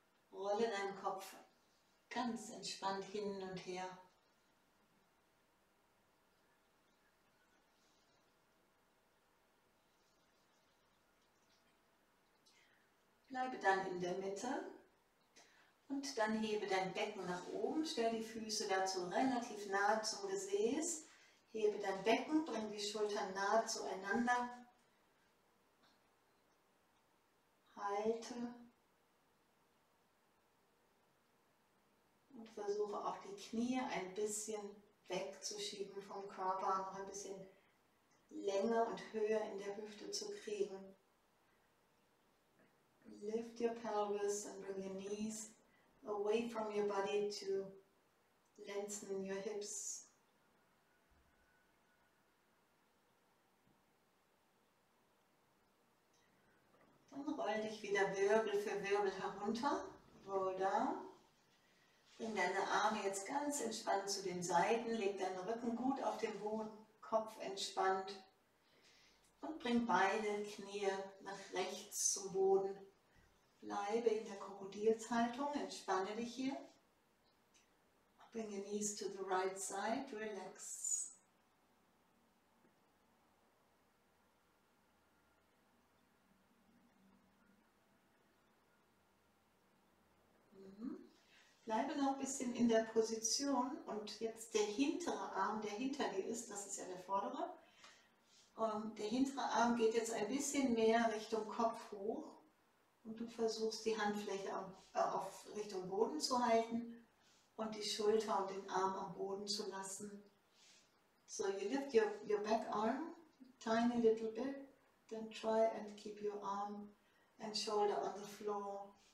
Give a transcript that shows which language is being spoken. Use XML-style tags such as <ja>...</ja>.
<de>Rolle deinen Kopf ganz entspannt hin und her. Bleibe dann in der Mitte und dann hebe dein Becken nach oben, stell die Füße dazu relativ nah zum Gesäß, hebe dein Becken, bring die Schultern nah zueinander, halte und versuche auch die Knie ein bisschen wegzuschieben vom Körper, noch ein bisschen länger und höher in der Hüfte zu kriegen.</de> <en>Lift your pelvis and bring your knees away from your body to lengthen in your hips.</en> <de>Dann roll dich wieder Wirbel für Wirbel herunter.</de> <en>Roll down.</en> <de>Bring deine Arme jetzt ganz entspannt zu den Seiten. Leg deinen Rücken gut auf den Boden, Kopf entspannt. Und bring beide Knie nach rechts zum Boden. Bleibe in der Krokodilshaltung, entspanne dich hier.</de> <en>Bring your knees to the right side, relax.</en> <de>Bleibe noch ein bisschen in der Position und jetzt der hintere Arm, der hinter dir ist, das ist ja der vordere. Und der hintere Arm geht jetzt ein bisschen mehr Richtung Kopf hoch. Und du versuchst die Handfläche auf Richtung Boden zu halten und die Schulter und den Arm am Boden zu lassen.</de> <en>So, you lift your back arm tiny little bit, then try and keep your arm and shoulder on the floor.</en>